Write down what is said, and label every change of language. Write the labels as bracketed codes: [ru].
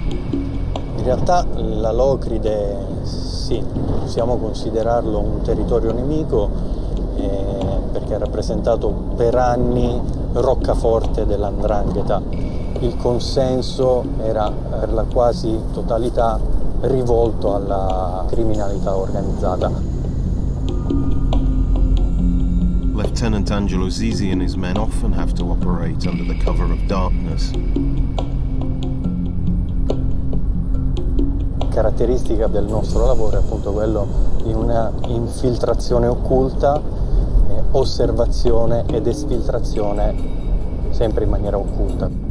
[it] In realtà la Locride, sì, possiamo considerarlo un territorio nemico perché ha rappresentato per anni roccaforte della 'Ndrangheta. Il consenso era per la quasi totalità rivolto alla criminalità organizzata. [en] Lieutenant Angelo Zizi and his men often have to operate under the cover of darkness. [it] Caratteristica del nostro lavoro è appunto quello di una infiltrazione occulta, osservazione ed esfiltrazione sempre in maniera occulta.